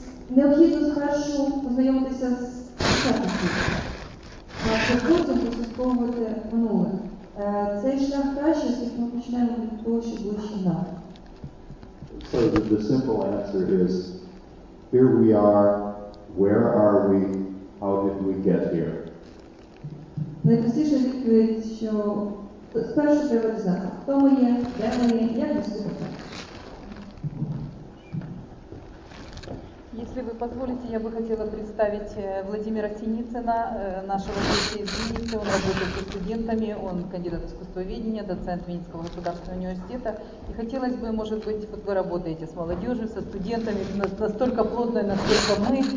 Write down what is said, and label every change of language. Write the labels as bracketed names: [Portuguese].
[Ukrainian] Необхідно спершу познайомитися з сучасним світом, потім прослідковувати минуле. Цей шлях краще, якщо ми починаємо від того, що ближче нам. [English] So the simple answer is, here we are, where are we, how did we get here? [Ukrainian] Найпростіша відповідь, що спершу треба дізнатися, хто ми є, де ми є, як доступно. [Russian] Если вы позволите, я бы хотела представить Владимира Синицына, нашего гостя из Винницы. Он работает со студентами, он кандидат искусствоведения, доцент Винницкого государственного университета. И хотелось бы, может быть, вот вы работаете с молодежью, со студентами, настолько плотно, насколько мы.